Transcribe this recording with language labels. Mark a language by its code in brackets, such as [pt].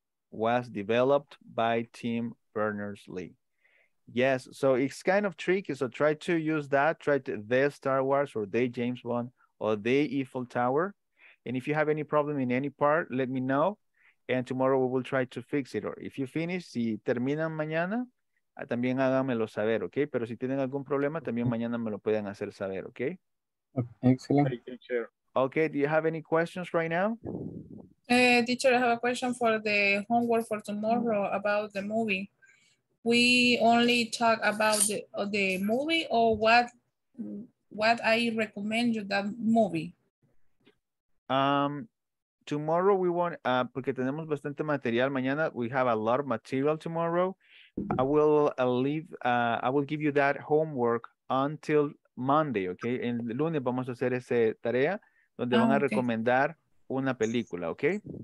[en] Was developed by Tim Berners-Lee. Yes, so it's kind of tricky. So try to use that. Try to the Star Wars or the James Bond or the Eiffel Tower. And if you have any problem in any part, let me know. And tomorrow we will try to fix it. Or if you finish, [es] si terminan mañana, también háganmelo saber, okay? Pero si tienen algún problema, también mañana me lo pueden hacer saber, okay? [en] Excellent. Okay, do you have any questions right now? Teacher, I have a question for the homework for tomorrow about the movie. We only talk about the movie or what I recommend you that movie? Tomorrow we want, [es] porque tenemos bastante material mañana, [en] we have a lot of material tomorrow. I will give you that homework until Monday, okay? [es] En lunes vamos a hacer esa tarea donde van a recomendar una película, okay?